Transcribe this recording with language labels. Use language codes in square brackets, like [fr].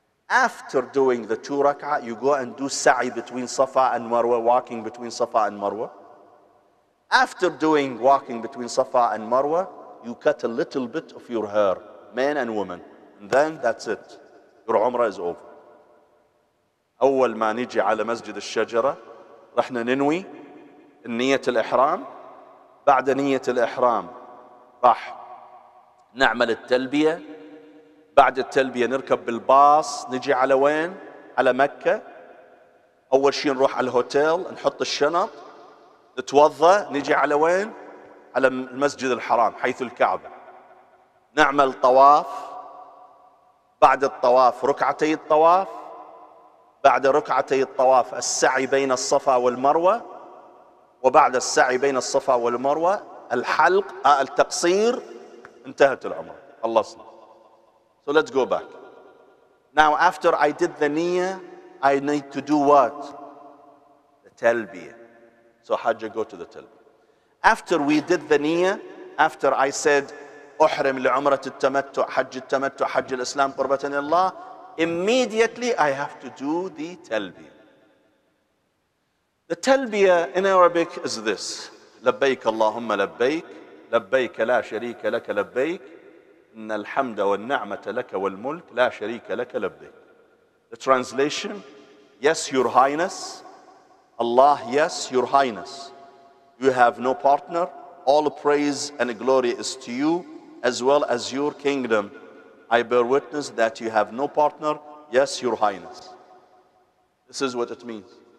[en] After doing the two rak'ah, you go and do sa'i between Safa and Marwa, walking between Safa and Marwa. After doing walking between Safa and Marwa, you cut a little bit of your hair, man and woman. And then that's it. Your umrah is over. [ar] أول ما نجي على مسجد الشجرة رحنا ننوي نية الإحرام بعد نية الإحرام راح نعمل التلبية بعد التلبية نركب بالباص نجي على وين؟ على مكة أول شيء نروح على الهوتيل نحط الشنط نتوضأ نجي على وين؟ على المسجد الحرام حيث الكعبة نعمل طواف بعد الطواف ركعتي الطواف بعد ركعتي الطواف السعي بين الصفا والمروة وبعد السعي بين الصفا والمروة الحلق التقصير انتهت العمرة خلصنا. [en] So let's go back. Now after I did the niyya, I need to do what? The talbiyah. So Hajj, go to the talbiyah. After we did the niyya, after I said [ar] أحرم لعمرة التمتع حج الإسلام قربة لله, [en] immediately I have to do the talbiyah. The talbiyah in Arabic is this: [ar] لبيك اللهم لبيك لبيك لا شريك لك لبيك إن الحمد والنعمة لك والملك لا شريك لك لبيك. [en] The translation: Yes, Your Highness. Allah, Yes, Your Highness. You have no partner. All praise and glory is to You, as well as Your kingdom. I bear witness that you have no partner. Yes, Your Highness. This is what it means.